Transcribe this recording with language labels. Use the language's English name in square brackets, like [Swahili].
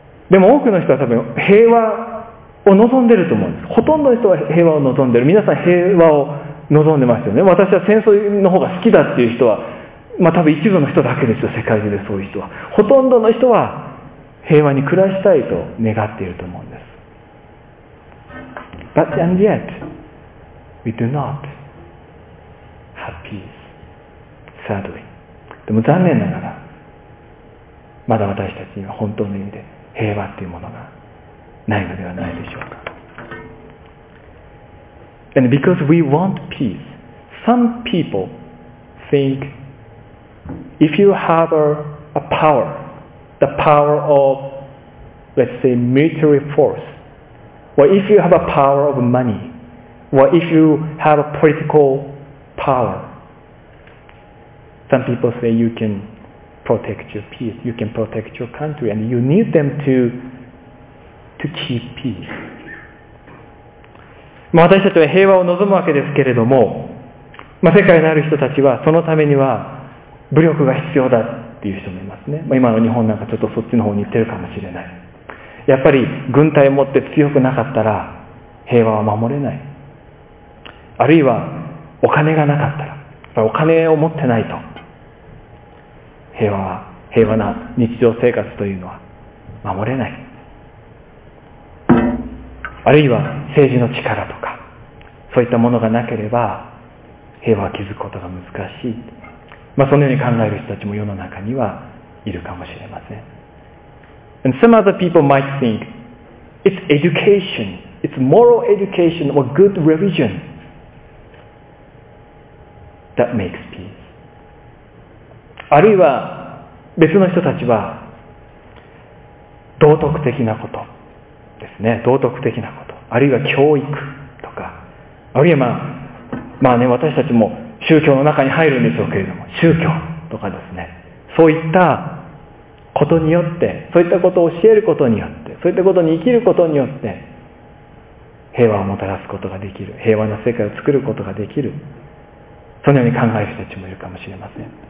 [Japanese] でも多くの人は多分平和を望んでると思うんです。ほとんどの人は平和を望んでる。皆さん平和を望んでますよね。私は戦争の方が好きだっていう人は、多分一部の人だけですよ、世界中でそういう人は。ほとんどの人は平和に暮らしたいと願っていると思うんです。 [English] But and yet, we do not have peace, sadly. [Japanese] でも残念ながら、まだ私たちには本当の意味で平和っていうものがないのではないでしょうか。 [English] And because we want peace, some people think if you have a power, the power of, let's say, military force, or if you have a power of money, or if you have a political power, some people say you can protect your peace, you can protect your country, and you need them to keep peace. [Japanese] まあ、私たちは平和を望むわけですけれども、まあ、世界のある人たちはそのためには武力が必要だっていう人もいますね。まあ、今の日本なんかちょっとそっちの方に行ってるかもしれない。やっぱり軍隊を持って強くなかったら平和は守れない。あるいはお金がなかったら、やっぱりお金を持ってないと平和な日常生活というのは守れない。あるいは政治の力とかそういったものがなければ平和を築くことが難しい。まあ、そのように考える人たちも世の中にはいるかもしれません。 [English] And some other people might think it's education, it's moral education or good religion that makes peace. [Japanese] あるいは別の人たちは道徳的なことですね、道徳的なこと、あるいは教育とか、あるいはまあね私たちも宗教の中に入るんでしょうけれども、宗教とかですね、そういったことによって、そういったことを教えることによって、そういったことに生きることによって平和をもたらすことができる、平和な世界を作ることができる、そのように考える人たちもいるかもしれません。